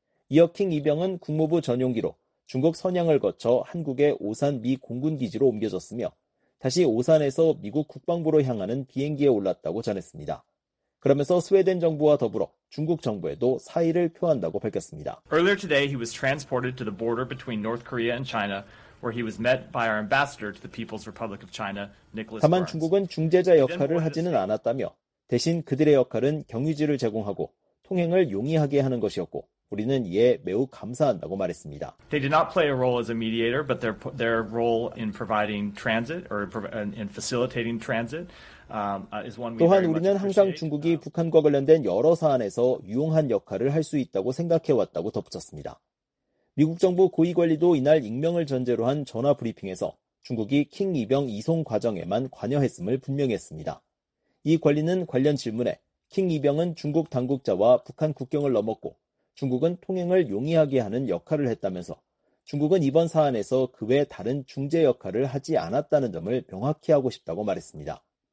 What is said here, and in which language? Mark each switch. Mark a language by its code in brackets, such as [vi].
[ko] 이어 킹 이병은 국무부 전용기로 중국 선양을 거쳐 한국의 오산 미 공군기지로 옮겨졌으며 다시 오산에서 미국 국방부로 향하는 비행기에 올랐다고 전했습니다. 그러면서 스웨덴 정부와 더불어 중국 정부에도 사의를 표한다고 밝혔습니다. [en] Earlier today he was transported to the border between North Korea and China where he was met by our ambassador to the People's Republic of China, Nicholas Burns. [ko] 다만 중국은 중재자 역할을 하지는 않았다며 대신 그들의 역할은 경유지를 제공하고 통행을 용이하게 하는 것이었고 우리는 이에 매우 감사한다고 말했습니다. [en] They did not play a role as a mediator, but their role in providing transit or in facilitating transit is one. [ko] 또한 우리는 항상 중국이 북한과 관련된 여러 사안에서 유용한 역할을 할 수 있다고 생각해 왔다고 덧붙였습니다. 미국 정부 고위 관리도 이날 익명을 전제로 한 전화 브리핑에서 중국이 킹 이병 이송 과정에만 관여했음을 분명했습니다. 이 관리는 관련 질문에 킹 이병은 중국 당국자와 북한 국경을 넘었고 중국은 통행을 용이하게 하는 역할을 했다면서 중국은 이번 사안에서 그 외 다른 중재 역할을 하지 않았다는 점을 명확히 하고 싶다고 말했습니다.